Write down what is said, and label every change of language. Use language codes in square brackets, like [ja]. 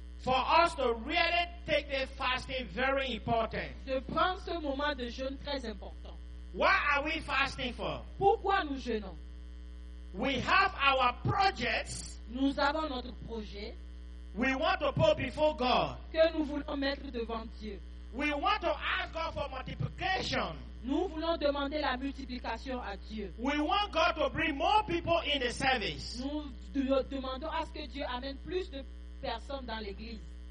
[en] For us to really take the fasting very important. [fr] De prendre ce moment de jeûne très important. [en] Why are we fasting for? [fr] Pourquoi nous jeûnons? [en] We have our projects. [fr] Nous avons notre projet. [en] We want to put before God. [fr] Que nous voulons mettre devant Dieu. [en] We want to ask God for multiplication. [fr] Nous voulons demander la multiplication à Dieu. [en] We want God to bring more people in the service. [fr] Nous demandons à ce que Dieu amène plus de personnes dans l'église.